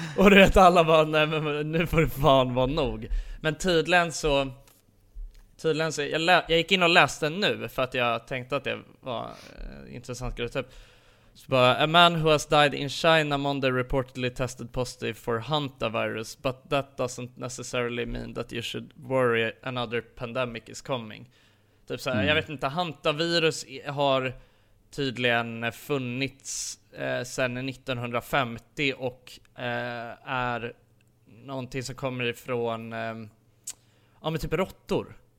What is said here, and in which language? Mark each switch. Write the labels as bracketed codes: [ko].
[sv] Och du vet, alla bara nej, men nu får det fan vara nog. Men tydligen så jag gick in och läste nu för att jag tänkte att det var intressant grej typ. [en] So, a man who has died in China Monday reportedly tested positive for Hanta virus, but that doesn't necessarily mean that you should worry another pandemic is coming. [sv] Typ så här, jag vet inte, Hanta virus har tydligen funnits sedan 1950 och är någonting som kommer ifrån ja, men typ råttor.